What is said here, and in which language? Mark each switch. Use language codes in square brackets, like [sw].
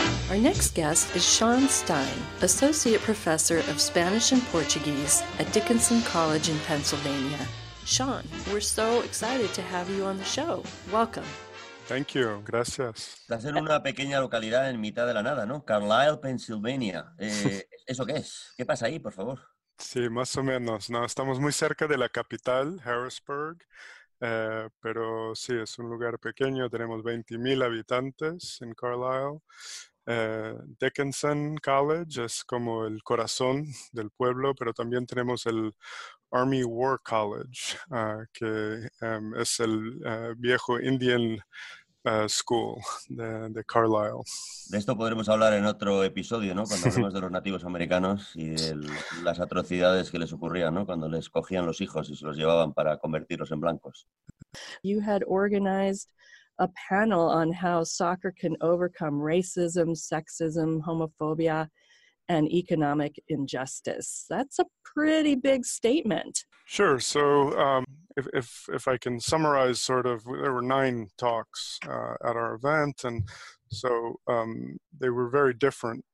[en] Our next guest is Sean Stein, Associate Professor of Spanish and Portuguese at Dickinson College in Pennsylvania. Sean, we're so excited to have you on the show. Welcome. Thank you. Gracias. [es] Estás en una pequeña localidad en mitad de la nada, ¿no? Carlisle, Pennsylvania. ¿Eso qué es? ¿Qué pasa ahí, por favor? Sí, más o menos. No, estamos muy cerca de la capital, Harrisburg. Pero sí, es un lugar pequeño. Tenemos 20,000 habitantes en Carlisle. Dickinson College es como el corazón del pueblo, pero también tenemos el Army War College, que es el viejo Indian School de Carlisle. De esto podremos hablar en otro episodio, ¿no? Cuando hablemos de los nativos americanos y de las atrocidades que les ocurrían, ¿no? Cuando les cogían los hijos y se los llevaban para convertirlos en blancos. [en] You had organized a panel on how soccer can overcome racism, sexism, homophobia, and economic injustice. That's a pretty big statement. Sure. So if I can summarize, sort of, there were 9 talks at our event, and so they were very different.